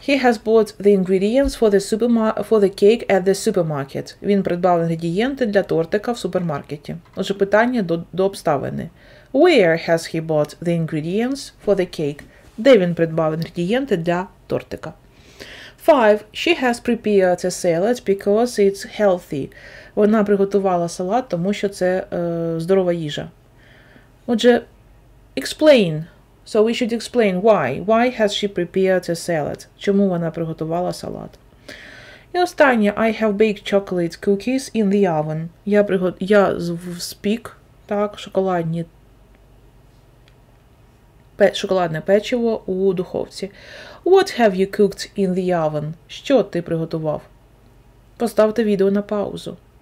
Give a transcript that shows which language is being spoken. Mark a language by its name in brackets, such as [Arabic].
[English] He has bought the ingredients for the cake at the supermarket. [Ukrainian] Він придбав інгредієнти для тортика в супермаркеті. Отже, питання до обставини. [English] Where has he bought the ingredients for the cake? [Ukrainian] Де він придбав інгредієнти для тортика? 5. [English] She has prepared a salad because it's healthy. [Ukrainian] Вона приготувала салат, тому що це здорова їжа. [English] Отже, explain. So we should explain why. Why has she prepared a salad? [Ukrainian] Чому вона приготувала салат? І останнє. [English] I have baked chocolate cookies in the oven. [Ukrainian] Я спік, так, шоколадне печиво у духовці. [English] What have you cooked in the oven? [Ukrainian] Що ти приготував? Поставте відео на паузу.